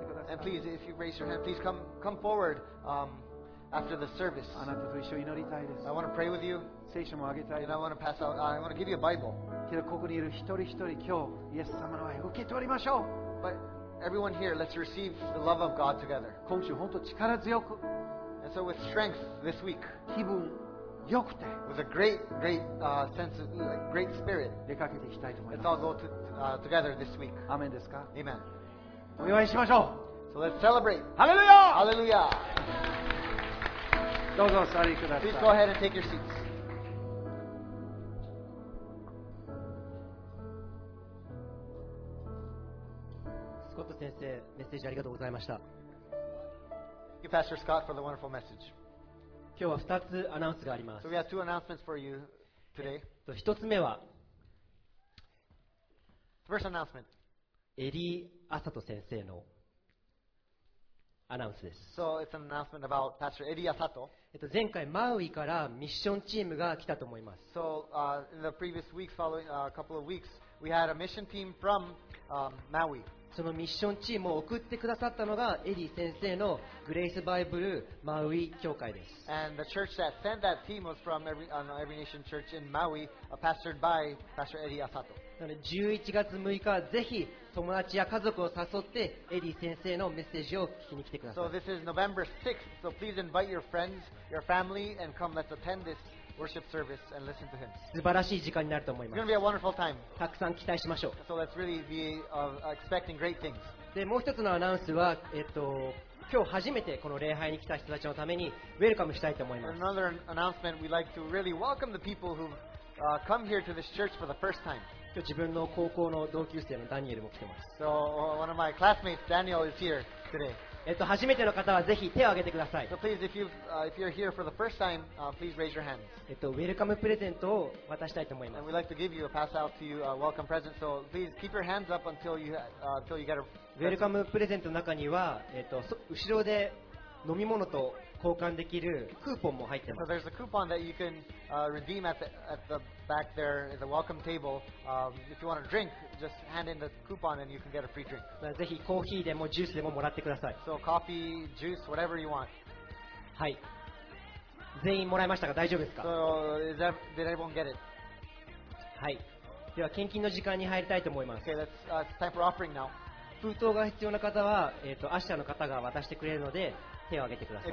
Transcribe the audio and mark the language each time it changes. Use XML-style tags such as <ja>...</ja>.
<en>And please, if you raise your hand, please come forward after the service.</en> <ja>あなたと一緒に祈りたいです。</ja> <en>I want to pray with you.</en> <ja>聖書もあげたい。</ja> <en>And I want to pass out. I want to give you a Bible.</en> <ja>けどここにいる一人一人今日イエス様の愛を受け取りましょう。</ja> <en>But everyone here, let's receive the love of God together.</en> <ja>今週本当力強く。</ja> <en>And so with strength this week.</en> <ja>気分良くて。</ja> <en>With a great sense of great spirit.</en> <ja>出かけていきたいと思います。</ja> <en>Let's all go to,together this week.</en> <ja>アメンですか?</ja> <en>Amen.</en> <ja>お祝いしましょう。</ja> <en>So let's celebrate. Hallelujah! Hallelujah!</en> <ja>どうぞお座りください。</ja> <en>Please go ahead and take your seats.</en> <ja>スコット先生、メッセージありがとうございました。</ja> <en>Thank you, Pastor Scott, for the wonderful message.</en> <ja>今日は2つアナウンスがあります。</ja> <en>So we have two announcements for you today.</en> <ja>1つ目は、</ja> <en>First announcement.</en> <ja>エリー・アサト先生のアナウンスです。</ja> <en>So it's an announcement about Pastor Eddie Asato.</en> <ja>前回マウイからミッションチームが来たと思います。</ja> <en>So in the previous weeks, following a couple of weeks, we had a mission team from Maui.</en> <ja>そのミッションチームを送ってくださったのがエリー先生のグレイスバイブルマウイ教会です。</ja> <en>And the church that sent that team was from Every Nation Church in Maui, pastored by Pastor Eddie Asato.</en> <ja>なので11月6日ぜひ友達や家族を誘ってエリー先生のメッセージを聞きに来てください。</ja> <en>So this is November 6th, so please invite your friends, your family, and come let's attend this worship service and listen to him.</en> <ja>素晴らしい時間になると思います。</ja> <en>It's going to be a wonderful time.</en> <ja>たくさん期待しましょう。</ja> <en>So let's really be expecting great things.</en> <ja>で、もう一つのアナウンスは、今日初めてこの礼拝に来た人たちのためにウェルカムしたいと思います。</ja> <en>Another announcement, we'd like to really welcome the people who've come here to this church for the first time.</en> <ja>今日自分の高校の同級生のダニエルも来てます。</ja> <en>So one of my classmates, Daniel, is here today.</en> <ja>初めての方はぜひ手を挙げてください。</ja> <en>So please, if you're here for the first time, please raise your hands.</en> <ja>ウェルカムプレゼントを渡したいと思います。</ja> <en>And we'd like to give you a pass out to you a welcome present. So please keep your hands up until you get a.</en> <ja>ウェルカムプレゼントの中には後ろで飲み物と交換できるクーポンも入ってます。</ja> <en>So there's a coupon that you can redeem at the back there at the welcome table. If you want a drink, just hand in the coupon and you can get a free drink.</en> <ja>ぜひコーヒーでもジュースでももらってください。</ja> <en>So coffee, juice, whatever you want.</en> <ja>はい。全員もらいましたか？大丈夫ですか？</ja> <en>So did everyone get it?</en> <ja>はい。では献金の時間に入りたいと思います。</ja> <en>Okay, it's time for offering now.</en> <ja>封筒が必要な方は、アッシャーの方が渡してくれるので、手を挙げてください。</ja>